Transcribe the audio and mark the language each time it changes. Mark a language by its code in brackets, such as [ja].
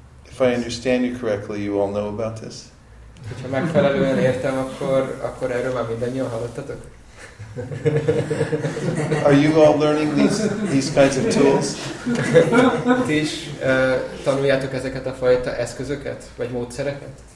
[en] If I understand you correctly, you all know about this. [hu] Hogyha megfelelően értem, akkor erről már mindannyian hallottatok? [en] Are you all learning these kinds of tools? [hu] Ti is tanuljátok ezeket a fajta eszközöket vagy módszereket?